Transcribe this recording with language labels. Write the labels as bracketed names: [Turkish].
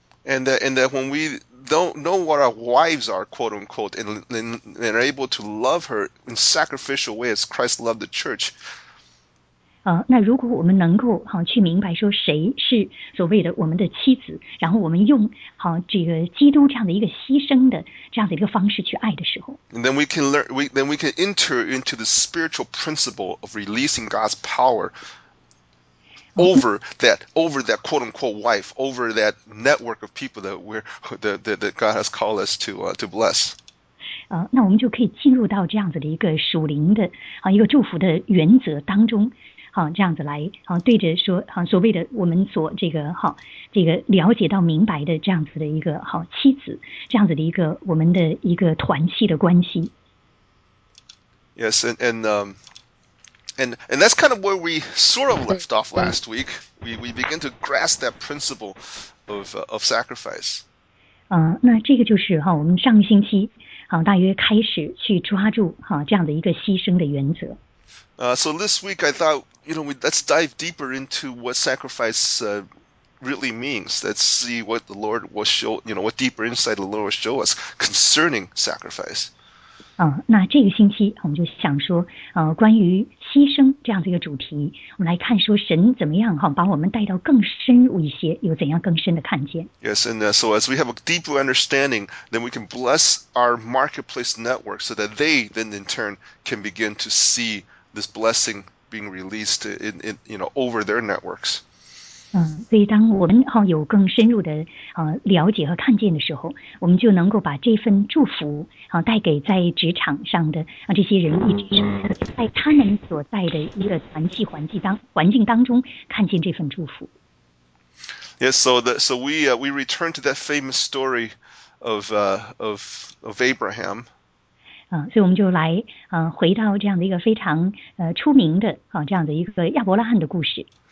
[English] And that when weDon't know what our wives are, quote unquote, and are able to love her in sacrificial way as Christ loved the church. [Chinese] 那如果我们能够去明白说谁是所谓的我们的妻子，然后我们用这个基督这样的一个牺牲的这样的一个方式去爱的时候 [English] ，and then we can enter into the spiritual principle of releasing God's power over that quote unquote wife, over that network of people that God has called us to bless. [Chinese] 那我们就可以进入到这样子的一个属灵的一个祝福的原则当中，这样子来对着说所谓的我们所这个了解到明白的这样子的一个妻子，这样子的一个我们的一个团契的关系。 [English] Yes, And that's kind of where we sort of left off last week. We begin to grasp that principle of sacrifice. [Chinese] 那这个就是我们上个星期大约开始去抓住这样的一个牺牲的原则。 [English] So this week I thought, you know, let's dive deeper into what sacrifice really means. Let's see what the Lord will show, you know, what deeper insight the Lord will show us concerning sacrifice. [Chinese] 那这个星期我们就想说关于牺牲这样的一个主题，我们来看说神怎么样把我们带到更深入一些，有怎样更深的看见。 [English] Yes, and so as we have a deeper understanding, then we can bless our marketplace network so that they then in turn can begin to see this blessing being released in you know, over their networks. [Chinese] 所以当我们有更深入的了解和看见的时候，我们就能够把这份祝福带给在职场上的这些人，在他们所在的一个团契环境当中看见这份祝福。 [English] Yes, so we return to that famous story of Abraham. [Chinese] 所以我们就来回到这样的一个非常出名的这样的一个亚伯拉罕的故事。